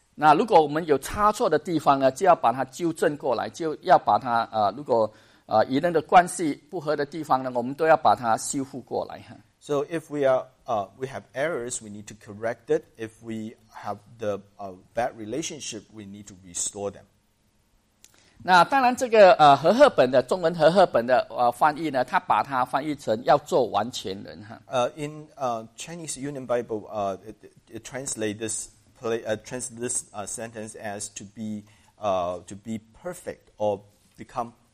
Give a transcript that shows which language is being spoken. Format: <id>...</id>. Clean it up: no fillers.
<zh>那如果我们有差错的地方呢，就要把它纠正过来，就要把它如果与人的关系不合的地方呢，我们都要把它修复过来。</zh> <en>So if we have errors, we need to correct it. If we have the bad relationship, we need to restore them.</en> <zh>那当然，这个和合本的中文和合本的翻译呢，他把它翻译成要做完全人哈。</zh> <en>In Chinese Union Bible, it translates this sentence as to be perfect or become.</en>